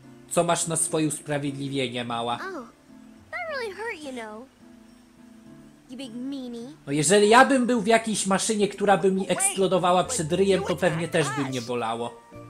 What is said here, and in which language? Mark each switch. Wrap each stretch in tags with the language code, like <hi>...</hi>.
<pl>Co masz na swoje usprawiedliwienie, mała?</pl> <en>Oh, that really hurt, you know.</en> <pl>No jeżeli ja bym był w jakiejś maszynie, która by mi eksplodowała przed ryjem, to pewnie też by mnie bolało.</pl>